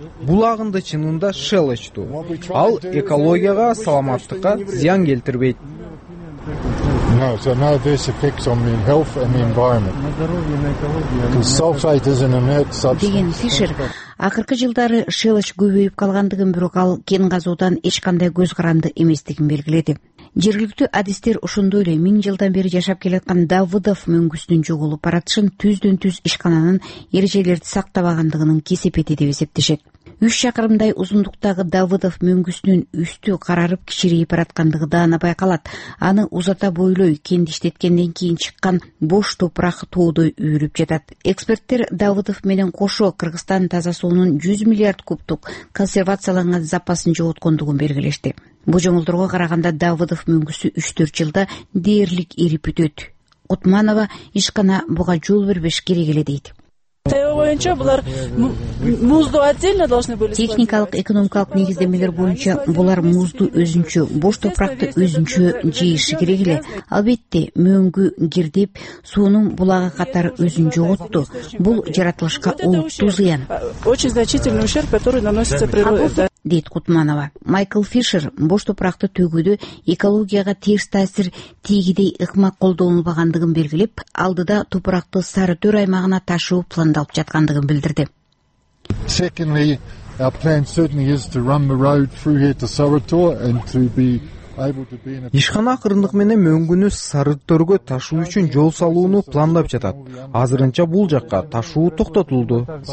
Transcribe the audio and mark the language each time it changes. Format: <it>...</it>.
<ky>Бул агынды чынында шылычтуу. Ал экологияга, саламаттыкка зыян келтирбейт.</ky> <en>No, so no adverse effects on the health and the environment. Because sulfate is an inert substance.</en> <ky>Акыркы жылдары шылыч көбөйүп калгандыгын, бирок ал кен газоодан эч кандай көз каранды эместигин белгиледи. Жергиликтүү адистер ошондой эле 1000 жылдан бери жашап келаткан Давыдов мөңгүсүнүн жоголуп баратышын түздөн түз ишкананын эрежелерди сактабагандыгынын кесепети деп эсептешет. 3 чакырымдай узундуктагы Давыдов мөңгүсүнүн үстү карарып кичирейип бараткандыгы даана байкалат. Аны узата бойлой кенди иштеткенден кийин чыккан бош топурак тоодой үйрүп жатат. Эксперттер Давыдов менен кошо Кыргызстан таза суунун 100 миллиард кубтук консервацияланган запасын жоготкондугун белгилешти. Божомолдорго караганда Давыдов мөңгүсү 3-4 жылда дээрлик эрип бүтөт. Кутманова ишкана буга жол бербеш керек эле дейт. Боюнча булар музду</ky> <ru>отдельно должны были сложить.</ru> <ky>Техникалык экономикалык негиздемелер боюнча булар музду өзүнчө, бош топуракты өзүнчө жейиши керек эле. Албетте, мөңгү кирдеп, суунун булагы катары өзүн жоготту. Бул жаратылышка олуттуу зыян.</ky> <ru>Очень значительный ущерб, который наносится природе.</ru> <ky>Дейт Кутманова. Майкл Фишер бош топуракты төгүүдө экологияга терс таасир тийгидей ыкма колдонулбагандыгын белгилеп, алдыда топуракты Сары Төр аймагына ташуу пландалып жаткандыгын билдирди.</ky> <en>Secondly, our plan certainly is to run the road through here to Saratur and to be</en> <ky>Ишкана акырындык менен мөңгүнү Сары Төргө ташуу үчүн жол салууну пландап жатат. Азырынча бул жакка ташуу токтотулду.</ky>